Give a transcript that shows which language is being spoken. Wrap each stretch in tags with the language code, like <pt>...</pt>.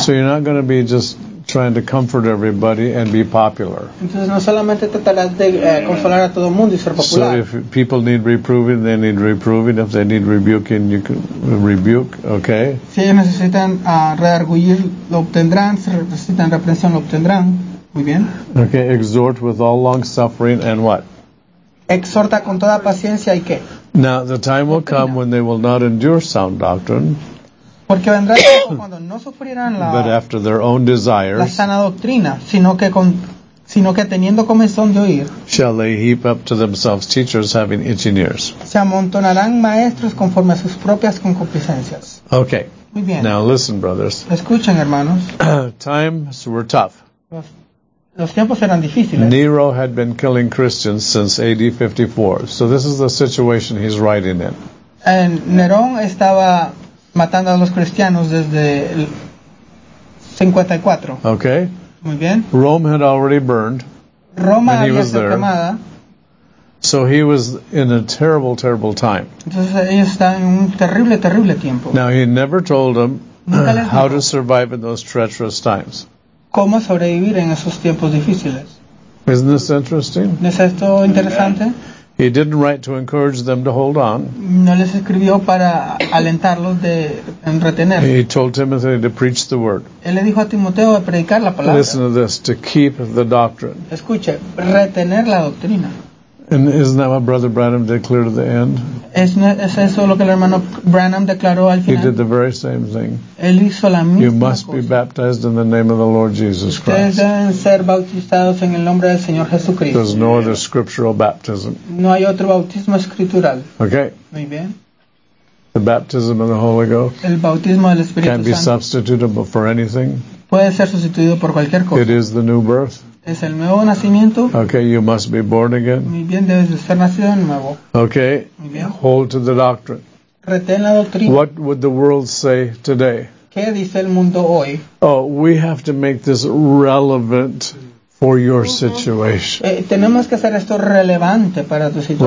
<en>So you're not going to be just trying to comfort everybody and be popular.</en> <es>Entonces, no solamente tratarás de consolar a todo mundo y ser popular.</es> <en>So if people need reproving, they need reproving. If they need rebuking, you can rebuke, okay?</en> <es>Si ellos necesitan redarguir, lo obtendrán. Si necesitan reprensión, lo obtendrán. Muy bien.</es> <en>Okay, exhort with all long suffering and what?</en> <es>Exhorta con toda paciencia y qué?</es> <en>Now the time will come when they will not endure sound doctrine.</en> <es>Porque vendrá el tiempo cuando no sufrirán la,</es> <en>but after their own desires,</en> <es>la sana doctrina, sino que teniendo comezón de oír,</es> <en>shall they heap up to themselves teachers having itching ears.</en> <es>Se amontonarán maestros conforme a sus propias concupiscencias.</es> <en>Okay.</en> <es>Muy bien.</es> <en>Now listen, brothers.</en> <es>Escuchen, hermanos.</es> <en>Times were tough.</en> <es>Los tiempos eran difíciles.</es> <en>Nero had been killing Christians since AD 54. So this is the situation he's writing in.</en> <es>And Nerón estaba matando a los cristianos desde el 54.</es> <en>Okay.</en> <es>Muy bien.</es> <en>Rome had already burned.</en> <es>Roma</es> <en>when he</en> <es>había sido quemada.</es> <en>So he was in a terrible, terrible time.</en> <es>Entonces ellos están en un terrible, terrible tiempo.</es> <en>Now he never told them how to survive in those treacherous times.</en> <es>¿Cómo sobrevivir en esos tiempos difíciles?</es> <en>Isn't this interesting?</en> <es>¿No es esto interesante?</es> <en>He didn't write to encourage them to hold on.</en> <es>No les escribió para alentarlos de en retener.</es> <en>He told Timothy to preach the word.</en> <es>Él le dijo a Timoteo de predicar la palabra.</es> <en>Listen to this, to keep the doctrine.</en> <es>Escuche, retener la doctrina.</es> <en>And isn't that what Brother Branham declared at the end?</en> <es>¿Es eso lo que el hermano Branham declaró al final?</es> <en>He did the very same thing.</en> <es>Él hizo la misma</es> <en>you must</en> <es>cosa.</es> <en>Be baptized in the name of the Lord Jesus Christ.</en> <es>Ustedes deben ser bautizados en el nombre del Señor Jesucristo.</es> <en>There's no other scriptural baptism.</en> <es>No hay otro bautismo escritural.</es> <en>Okay.</en> <es>Muy bien.</es> <en>The baptism of the Holy Ghost.</en> <es>El bautismo del Espíritu</es> <en>can't Can't be substituted for anything.</en> <es>Puede ser sustituido por cualquier cosa.</es> <en>It is the new birth.</en> <es>Es el nuevo nacimiento.</es> <en>Okay, you must be born again.</en> <es>Muy bien, debes ser nacido de nuevo.</es> <en>Okay.</en> <es>Muy bien.</es> <en>Hold to the doctrine.</en> <es>Retén la doctrina.</es> <en>What would the world say today?</en> <es>¿Qué dice el mundo hoy?</es> <en>Oh, we have to make this relevant for your situation.</en> <es>Tenemos que hacer esto relevante para tu situación.</es>